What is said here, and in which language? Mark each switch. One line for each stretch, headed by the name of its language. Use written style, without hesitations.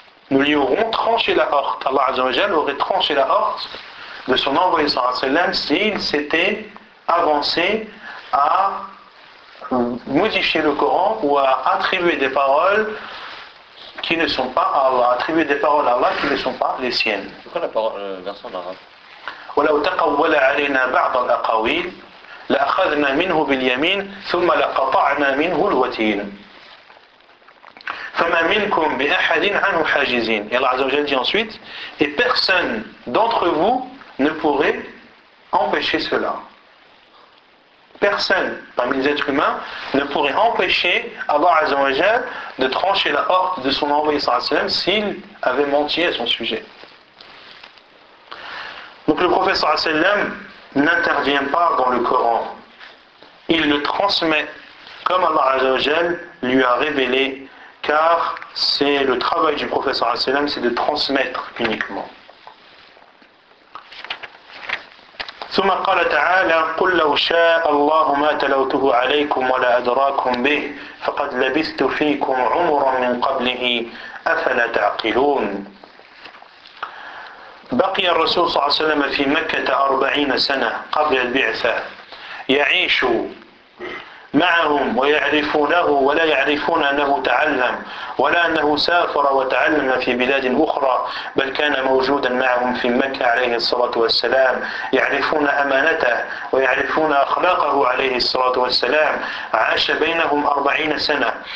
French: Nous lui aurons tranché la horte. Allah Azzawajal aurait tranché la horte de son envoyé sallallahu alayhi wa sallam s'il s'était avancé à modifier le Coran ou à attribuer des paroles qui ne sont pas à Allah, attribuer des paroles à Allah qui ne sont pas les siennes. C'est quoi la parole en arabe ?
Arabic: Wa law taqawwala alayna ba'd al-aqawil لأخذنا منه باليمين ثم لقطعنا منه الوتين فما منكم بأحد عنه حاجزين.
French: Et Allah Azzawajal dit ensuite, et personne d'entre vous ne pourrait empêcher cela. Personne parmi les êtres humains ne pourrait empêcher Allah Azzawajal de trancher la horte de son envoyé sallallahu alayhi wa sallam s'il avait menti à son sujet. Donc le prophète sallallahu alayhi wa sallam n'intervient pas dans le Coran. Il le transmet comme Allah Azzawajal lui a révélé, car c'est le travail du prophète sallallahu alayhi wa sallam, c'est de transmettre uniquement.
Arabic: ثم قال تعالى قل لو شاء الله ما تلوته عليكم ولا أدراكم به فقد لبثت فيكم عمرا من قبله أفلا تعقلون. بقي الرسول صلى الله عليه وسلم في مكة 40 سنة قبل البعثة يعيش معهم ويعرفونه ولا يعرفون أنه تعلم ولا أنه سافر وتعلم في بلاد أخرى بل كان موجودا معهم في مكة عليه الصلاة والسلام يعرفون أمانته ويعرفون أخلاقه عليه الصلاة والسلام عاش بينهم 40 سنة